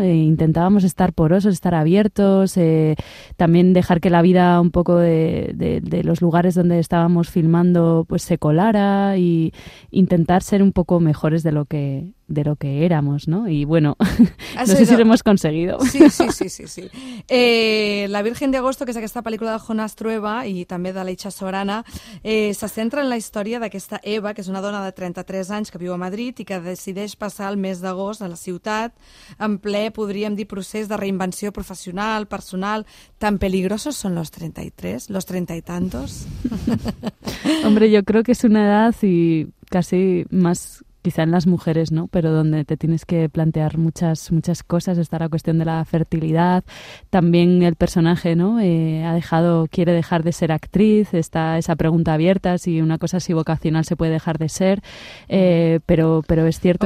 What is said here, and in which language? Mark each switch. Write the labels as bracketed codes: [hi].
[es] E intentábamos estar porosos, estar abiertos, también dejar que la vida un poco de los lugares donde estábamos filmando pues se colara y intentar ser un poco mejores de lo que éramos, ¿no? Y bueno, no sé si lo hemos conseguido. Sí. [ca] La Virgen de Agosto, que és aquesta pel·lícula de Jonas Trueba i també de l'Eixa Sorana, se centra en la història d'aquesta Eva, que és una dona de 33 anys que viu a Madrid i que decideix passar el mes d'agost a la ciutat en ple, podríem dir, procés de reinvenció professional, personal. [es] ¿Tan peligrosos son los 33? ¿Los 30 y tantos? Hombre, yo creo que es una edad y casi más... quizá en las mujeres, ¿no? Pero donde te tienes que plantear muchas cosas, está la cuestión de la fertilidad, también el personaje, ¿no? Quiere dejar de ser actriz, está esa pregunta abierta, si una cosa así vocacional se puede dejar de ser, pero es cierto.